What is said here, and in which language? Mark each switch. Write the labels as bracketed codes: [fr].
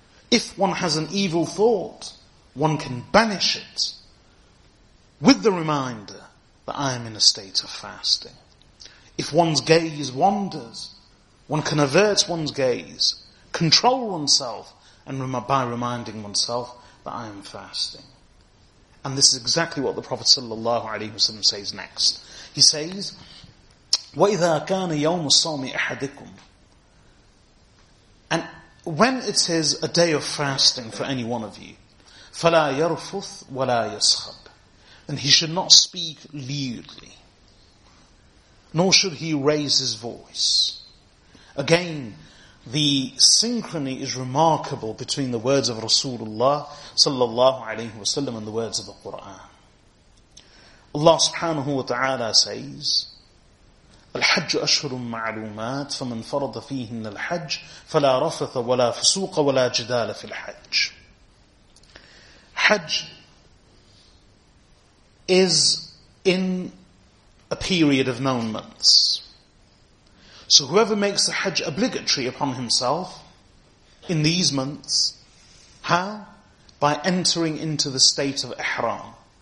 [en] If one has an evil thought, one can banish it with the reminder that I am in a state of fasting. If one's gaze wanders, one can avert one's gaze, control oneself, and by reminding oneself that I am fasting. And this is exactly what the Prophet sallallahu alaihi wasallam says next. He says, [ar] وَإِذَا كَانَ يَوْمُ الصَّوْمِ أَحَدِكُمْ. [en] And when it is a day of fasting for any one of you, [ar] فَلَا يَرْفُثْ وَلَا يَسْخَبْ. [en] Then he should not speak lewdly, nor should he raise his voice. Again, the synchrony is remarkable between the words of Rasulullah sallallahu alaihi wasallam and the words of the Qur'an. Allah subhanahu wa ta'ala says, [ar] الحج أشهر معلومات فمن فرض فيهن الحج فلا رفث ولا فسوق ولا جدال في الحج. [en] Hajj is in a period of known months. So whoever makes the Hajj obligatory upon himself in these months, how? by entering into the state of ihram.